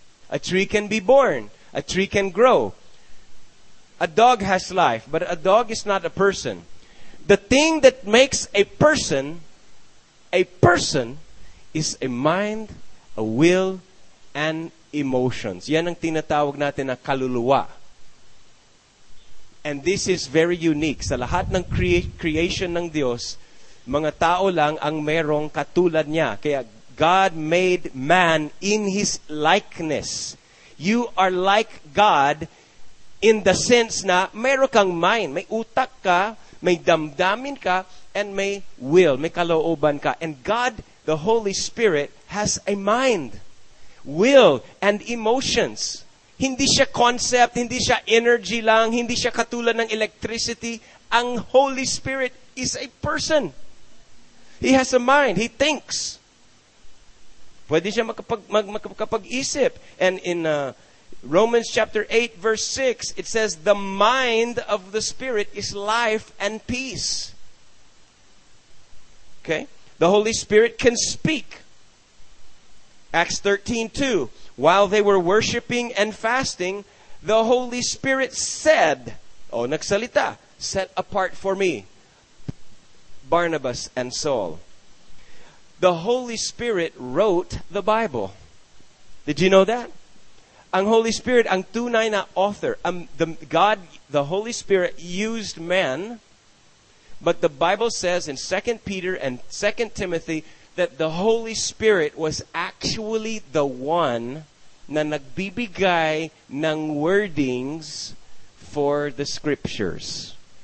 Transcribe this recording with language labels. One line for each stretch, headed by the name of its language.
English: A tree can be born. A tree can grow. A dog has life, but a dog is not a person. The thing that makes a person, is a mind, a will, and emotions.
Filipino: Yan ang tinatawag natin na kaluluwa.
English: And this is very unique.
Filipino: Sa lahat ng creation ng Diyos, mga tao lang ang merong katulad niya. Kaya God made man in His likeness.
English: You are like God in the sense
Filipino: na merong kang
English: mind.
Filipino: May utak ka, may damdamin ka, and may will, may kalooban ka.
English: And God, the Holy Spirit, has a mind, will, and emotions.
Filipino: Hindi siya concept, hindi siya energy lang, hindi siya katulad ng electricity. Ang
English: Holy Spirit is a person. He has a mind. He thinks.
Filipino: Pwede siya makapag-isip.
English: And in Romans chapter 8, verse 6, it says, the mind of the Spirit is life and peace. Okay? The Holy Spirit can speak. Acts 13:2. While they were worshiping and fasting, the Holy Spirit said, oh,
Filipino: nagsalita,
English: set apart for me, Barnabas and Saul. The Holy Spirit wrote the Bible. Did you know that?
Filipino: Ang Holy Spirit, ang tunay na author.
English: The Holy Spirit used man. But the Bible says in 2 Peter and 2 Timothy that the Holy Spirit was actually the one
Filipino: na nagbibigay ng
English: wordings for the Scriptures.